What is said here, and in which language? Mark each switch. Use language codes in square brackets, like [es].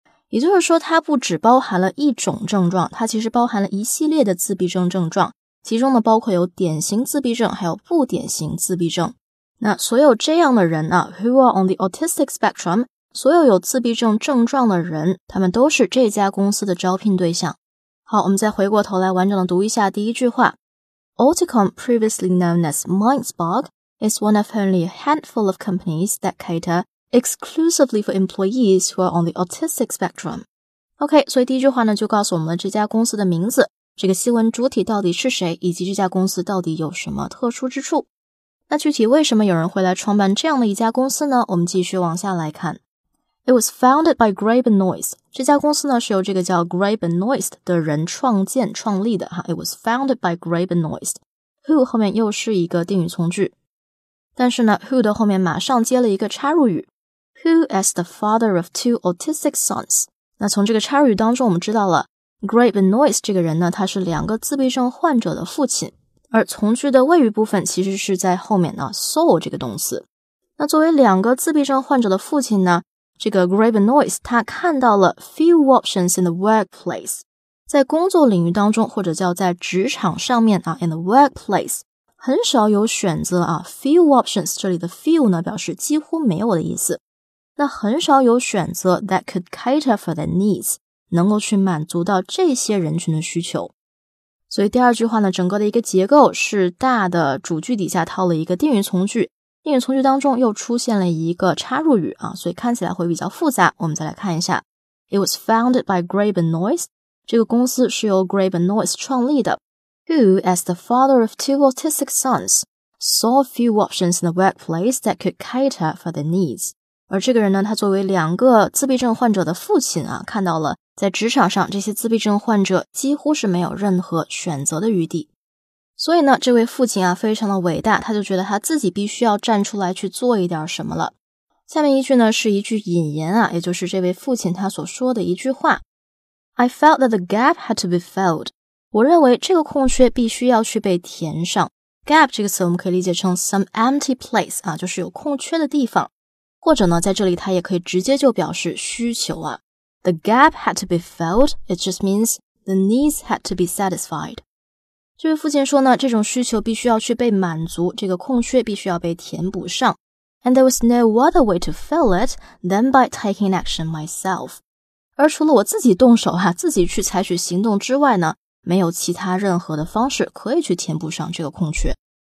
[zh] 也就是说它不只包含了一种症状，它其实包含了一系列的自闭症症状，其中呢包括有典型自闭症还有不典型自闭症。那所有这样的人呢， [en] who are on the autistic spectrum， [zh] 所有有自闭症症状的人，他们都是这家公司的招聘对象。好，我们再回过头来完整的读一下第一句话。 [en] Auticom, previously known as Mindspark, is one of only a handful of companies that caterExclusively for employees who are on the autistic spectrum. [zh] OK, 所以第一句话呢就告诉我们这家公司的名字，这个新闻主体到底是谁，以及这家公司到底有什么特殊之处。那具体为什么有人会来创办这样的一家公司呢？我们继续往下来看。 [en] It was founded by Grabe and Noyce. [zh] 这家公司呢是由这个叫 Grabe and Noyce 的人创建创立的。 [en] It was founded by Grabe and Noyce. Who [zh] 后面又是一个定语从句。但是呢 who 的后面马上接了一个插入语。 [en] Who as the father of two autistic sons? [zh] 那从这个插入语当中我们知道了 Grabe and Noyce 这个人呢，他是两个自闭症患者的父亲。而从句的谓语部分其实是在后面呢 so 这个动词。那作为两个自闭症患者的父亲呢，这个 Grabe and Noyce 他看到了 [en] few options in the workplace， [zh] 在工作领域当中，或者叫在职场上面啊 [en] in the workplace [zh] 很少有选择啊。 few options 这里的 few 呢表示几乎没有的意思，那很少有选择 [en] that could cater for their needs， [zh] 能够去满足到这些人群的需求。所以第二句话呢，整个的一个结构是大的主句底下套了一个定语从句，定语从句当中又出现了一个插入语啊，所以看起来会比较复杂。我们再来看一下 [en] It was founded by Grabe and Noyce， [zh] 这个公司是由 Grabe and Noyce 创立的。 [en] Who as the father of two autistic sons saw few options in the workplace that could cater for their needs。 [zh] 而这个人呢，他作为两个自闭症患者的父亲啊，看到了在职场上这些自闭症患者几乎是没有任何选择的余地。所以呢这位父亲啊非常的伟大，他就觉得他自己必须要站出来去做一点什么了。下面一句呢是一句引言啊，也就是这位父亲他所说的一句话。 [en] I felt that the gap had to be filled， [zh] 我认为这个空缺必须要去被填上。 gap 这个词我们可以理解成 [en] some empty place [zh] 啊，就是有空缺的地方，或者呢在这里它也可以直接就表示需求啊。 [en] The gap had to be filled, it just means the needs had to be satisfied. [zh] 这位父亲说呢，这种需求必须要去被满足，这个空缺必须要被填补上。 [en] And there was no other way to fill it than by taking action myself. [zh] 而除了我自己动手啊，自己去采取行动之外呢，没有其他任何的方式可以去填补上这个空缺。